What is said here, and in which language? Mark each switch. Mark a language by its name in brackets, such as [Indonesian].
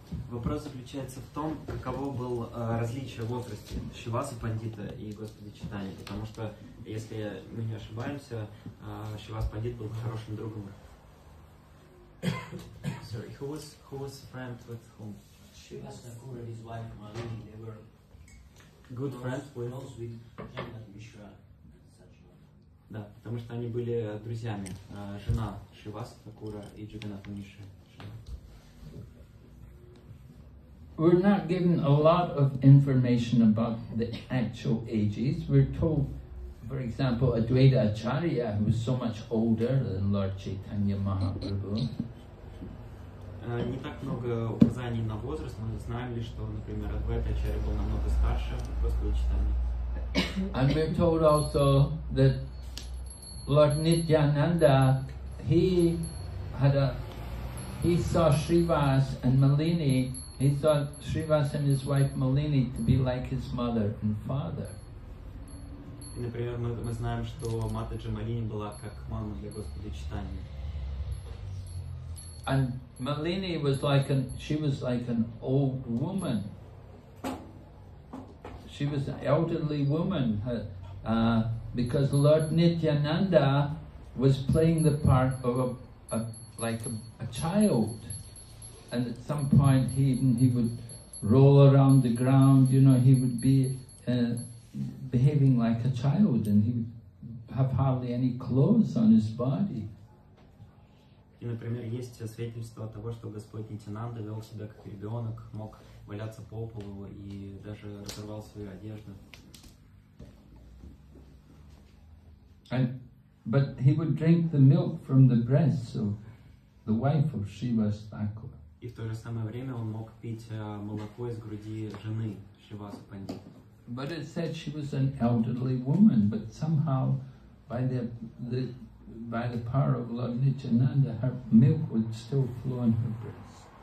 [Russian] вопрос заключается в том, каково был различие в возрасте Шиваса Пандита и Господа Читания, потому что, если мы не ошибаемся, Шивас Пандит был хорошим другом. [English] Sorry, who was friend with whom? Shivas Thakur and his wife Maluni, they were good friends with Jagannath Mishra. [Russian] Да, потому что они были друзьями. Жена Шиваса Такура и Джаганнат Миши. [English] We're not given a lot of information about the actual ages. We're told, for example, Advaita Acharya, who was so much older than Lord Chaitanya Mahaprabhu. [Russian] Не так много указаний на возраст, мы знаем лишь, что, например, Advaita Acharya был намного старше Господа Читания. [English] And we're told also that Lord Nityananda, he saw Srivas and Malini. He thought Srivas and his wife Malini to be like his mother and father. [Russian] И, например, мы знаем, что Матаджи Малини была как мама для Господа Читания. [English] And Malini was like an old woman. She was an elderly woman, because Lord Nityananda was playing the part of a child. And at some point he would roll around the ground, you know, he would be behaving like a child and he would have hardly any clothes on his body. [Russian] И, например, есть свидетельство того, что Господь Нитянанда вел себя как ребенок, мог валяться по полу и даже разорвал свою одежду. [English] But he would drink the milk from the breasts of the wife of Shiva Thakur. [Russian] И в то же самое время он мог пить молоко из груди жены Шивасу Пандит. [English] But it said she was an elderly woman, but somehow by the power of Lord Nityananda, her milk would still flow in her breast.